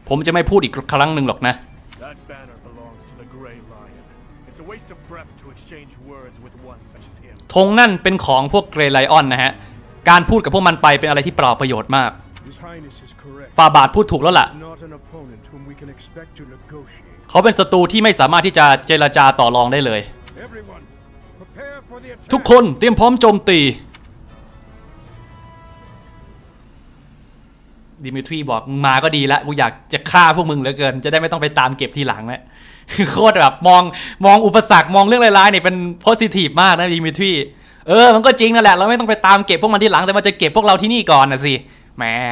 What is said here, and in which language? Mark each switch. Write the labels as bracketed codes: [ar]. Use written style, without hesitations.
[th] ผมจะไม่พูดอีกครั้งหนึ่งหรอกนะ [en] That banner belongs to the Grey Lion. It's a waste of breath to exchange words with one such as him. [th] ธงนั่นเป็นของพวกเกรย์ไลออนนะฮะการพูดกับพวกมันไปเป็นอะไรที่เปล่าประโยชน์มากฝ่าบาทพูดถูกแล้วล่ะ [en] not an opponent whom we can expect to negotiate. [th] เขาเป็นศัตรูที่ไม่สามารถที่จะเจรจาต่อรองได้เลย [en] Everyone, prepare for the attack. [th] ทุกคนเตรียมพร้อมโจมตีดิมิทรีบอกมาก็ดีแล้วกูอยากจะฆ่าพวกมึงเหลือเกินจะได้ไม่ต้องไปตามเก็บทีหลังแล้วโคตรแบบมองอุปสรรคมองเรื่องร้ายๆเนี่ยเป็นโพซิทีฟมากนะดิมิทรีมันก็จริงนั่นแหละเราไม่ต้องไปตามเก็บพวกมันทีหลังแต่มันจะเก็บพวกเราที่นี่ก่อนนะสิแหม